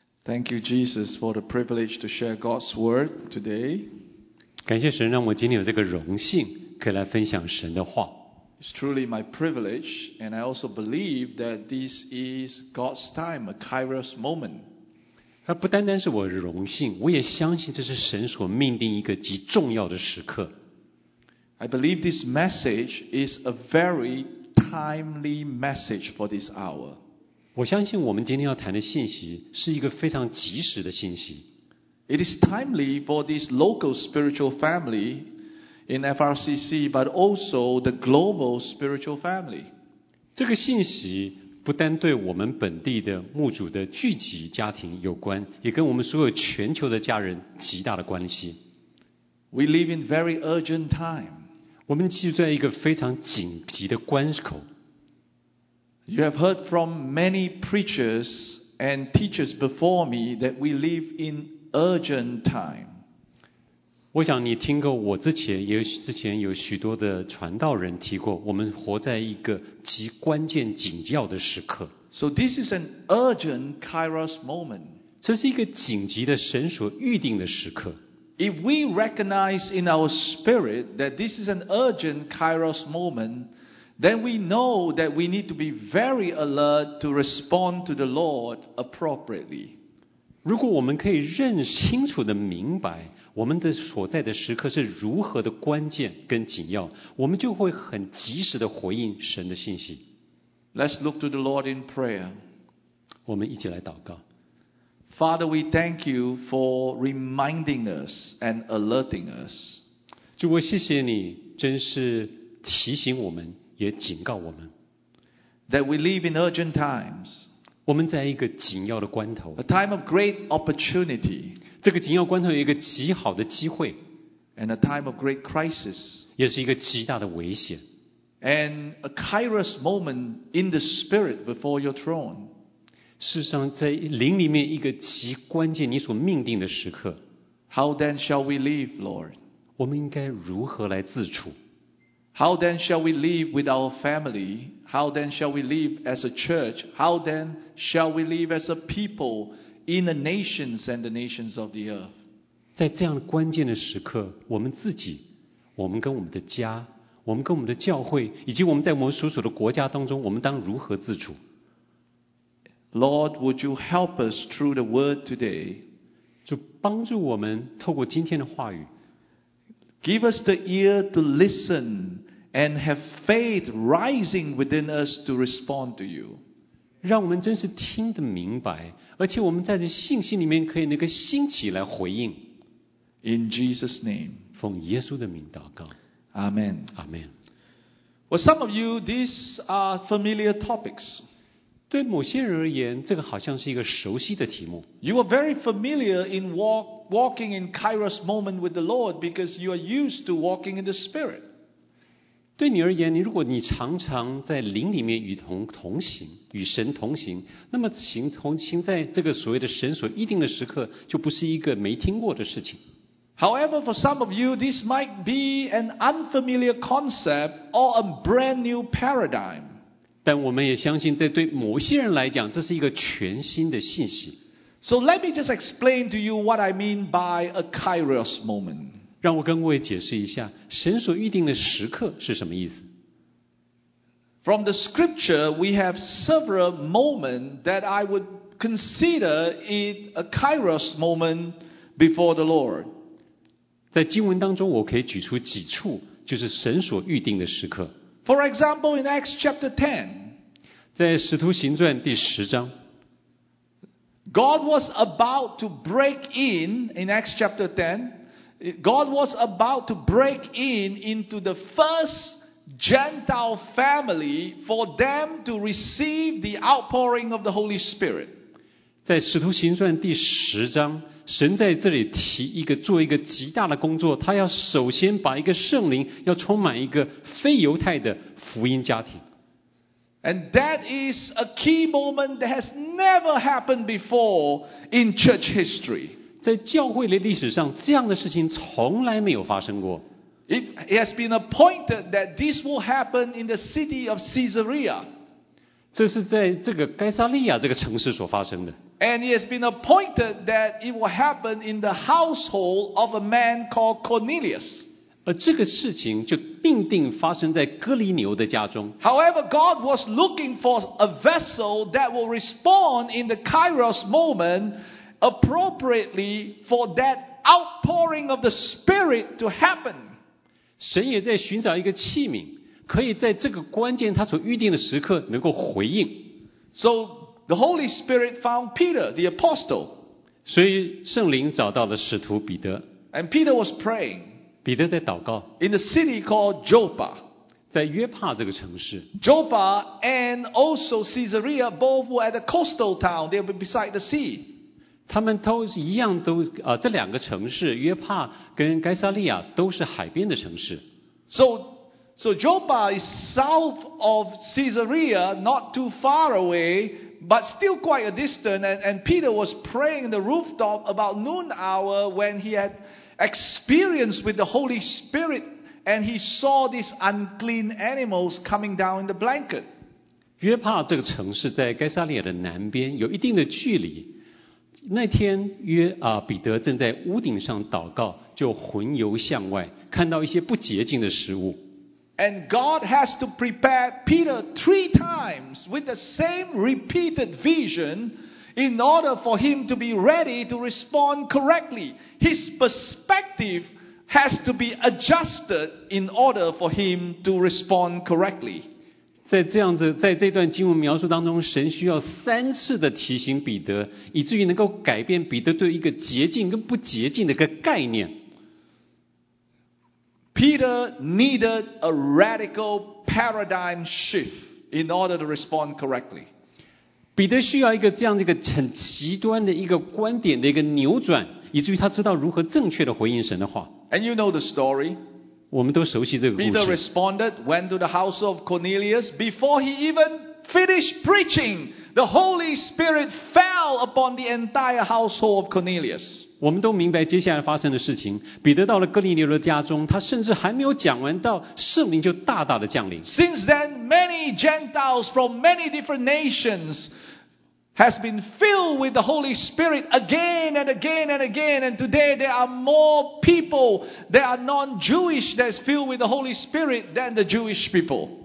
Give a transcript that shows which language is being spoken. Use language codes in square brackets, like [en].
[en] Thank you, Jesus, for the privilege to share God's word today. [zh] 感谢神让我今天有这个荣幸可以来分享神的话。 [en] It's truly my privilege, and I also believe that this is God's time, a Kairos moment. [zh] 它不单单是我的荣幸，我也相信这是神所命定一个极重要的时刻。 [en] I believe this message is a very timely message for this hour. [zh] 我相信我们今天要谈的信息是一个非常及时的信息。 [en] It is timely for this local spiritual family in FRCC, but also the global spiritual family. [zh] 这个信息不单对我们本地的牧主的聚集家庭有关，也跟我们所有全球的家人极大的关系。 [en] We live in very urgent time. [zh] 我们居住在一个非常紧急的关口。 [en] You have heard from many preachers and teachers before me that we live in urgent time. [zh] 我想你听过我之前有许多的传道人提过，我们活在一个极关键紧要的时刻。 [en] So this is an urgent Kairos moment. [zh] 这是一个紧急的神所预定的时刻。 [en] If we recognize in our spirit that this is an urgent Kairos moment,Then we know that we need to be very alert to respond to the Lord appropriately. [zh] 如果我们可以认清楚地明白我们的所在的时刻是如何的关键跟紧要，我们就会很及时地回应神的信息。 [en] Let's look to the Lord in prayer. [zh] 我们一起来祷告。 [en] Father, we thank you for reminding us and alerting us. [zh] 主，我谢谢你，真是提醒我们。也警告我们 [en] that we live in urgent times, [zh] 我们在一个紧要的关头 [en] a time of great opportunity, [zh] 这个紧要关头有一个极好的机会 [en] and a time of great crisis, [zh] 也是一个极大的危险 [en] and a Kairos moment in the spirit before your throne, [zh] 事实上在灵里面一个极关键你所命定的时刻 [en] How then shall we live, Lord? [zh] 我们应该如何来自处 [en] How then shall we live with our family? How then shall we live as a church? How then shall we live as a people in the nations and the nations of the earth? [zh] 在这样关键的时刻，我们自己，我们跟我们的家，我们跟我们的教会，以及我们在我们所属的国家当中，我们当如何自处？ [en] Lord, would you help us through the word today? [zh] 就帮助我们透过今天的话语。 [en] Give us the ear to listen and have faith rising within us to respond to you. [zh] 让我们真是听得明白，而且我们在这信心里面可以那个兴起来回应。 [en] In Jesus' name. [zh] 奉耶稣的名祷告。 [en] Amen. Amen. Well, some of you, these are familiar topics. [zh] 对某些人而言，这个好像是一个熟悉的题目。 [en] You are very familiar in walking in Kairos moment with the Lord because you are used to walking in the Spirit. [zh] 对你而言，如果你常常在灵里面与同行，与神同行，那么行在这个所谓的神所预定的时刻，就不是一个没听过的事情。 [en] However, for some of you, this might be an unfamiliar concept or a brand new paradigm. [zh] 但我们也相信，在对某些人来讲，这是一个全新的信息。 [en] So let me just explain to you what I mean by a Kairos moment. [zh] 让我跟各位解释一下，神所预定的时刻是什么意思。 [en] From the scripture, we have several moments that I would consider it a Kairos moment before the Lord. [zh] 在经文当中，我可以举出几处，就是神所预定的时刻。 [en] For example, in Acts chapter 10, [zh] 在使徒行传第十章。 [en] God was about to break in Acts chapter 10, God was about to break into the first Gentile family for them to receive the outpouring of the Holy Spirit. [zh] 在使徒行传第十章，神在这里提一个做一个极大的工作，他要首先把一个圣灵要充满一个非犹太的福音家庭。 [en] And that is a key moment that has never happened before in church history. [zh] 在教会的历史上，这样的事情从来没有发生过。 [en] It has been appointed that this will happen in the city of Caesarea. [zh] 这是在这个该撒利亚这个城市所发生的。 [en] And it has been appointed that it will happen in the household of a man called Cornelius. [zh] 而这个事情就命定发生在哥尼流的家中。 [en] However, God was looking for a vessel that will respond in the Kairos moment appropriately for that outpouring of the Spirit to happen. [zh] 神也在寻找一个器皿，可以在这个关键他所预定的时刻能够回应。 [en] So,The Holy Spirit found Peter, the apostle. [zh] 所以圣灵找到了使徒彼得。 [en] And Peter was praying. [zh] 彼得在祷告。 [en] In the city called Joppa. [zh] 在约帕这个城市。 [en] Joppa and also Caesarea both were at the coastal town. They were beside the sea. [zh] 他们都一样都这两个城市约帕跟该撒利亚都是海边的城市。 [en] So Joppa is south of Caesarea, not too far away. But still quite a distance, and Peter was praying in the rooftop about noon hour when he had experience with the Holy Spirit, and he saw these unclean animals coming down in the blanket. [zh] 约帕这个城市在该撒利亚的南边，有一定的距离。那天彼得正在屋顶上祷告，就魂游向外，看到一些不洁净的食物。 [en] And God has to prepare Peter three times with the same repeated vision in order for him to be ready to respond correctly. His perspective has to be adjusted in order for him to respond correctly. [zh] 在这段经文描述当中，神需要三次的提醒彼得，以至于能够改变彼得对一个洁净跟不洁净的一个概念。 [en] Peter needed a radical paradigm shift in order to respond correctly. [zh] 彼得需要一个这样的一个很极端的一个观点的一个扭转，以至于他知道如何正确的回应神的话。 [en] And you know the story. [zh] 我们都熟悉这个故事。 [en] Peter responded, went to the house of Cornelius. Before he even finished preaching, the Holy Spirit fell upon the entire household of Cornelius. [zh] 我们都明白接下来发生的事情。彼得到了哥尼流的家中，他甚至还没有讲完道，圣灵就大大的降临。 [en] Since then, many Gentiles from many different nations has been filled with the Holy Spirit again and again and again. And today there are more people that are non-Jewish that is filled with the Holy Spirit than the Jewish people.